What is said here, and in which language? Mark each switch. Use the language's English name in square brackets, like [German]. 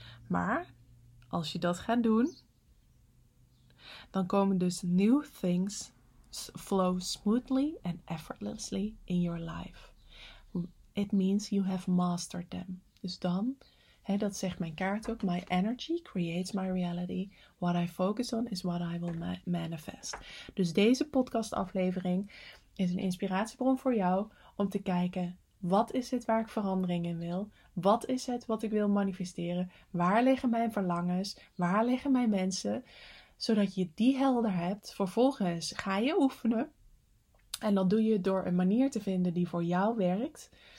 [Dutch] Maar als je dat gaat doen, dan komen dus [English] new things flow smoothly and effortlessly in your life. It means you have mastered them. [Dutch] Dus dan, hè, dat zegt mijn kaart ook, [English] my energy creates my reality. What I focus on is what I will manifest. [Dutch] Dus deze podcast aflevering is een inspiratiebron voor jou om te kijken, wat is het waar ik verandering in wil? Wat is het wat ik wil manifesteren? Waar liggen mijn verlangens? Waar liggen mijn wensen? Zodat je die helder hebt. Vervolgens ga je oefenen. En dat doe je door een manier te vinden die voor jou werkt.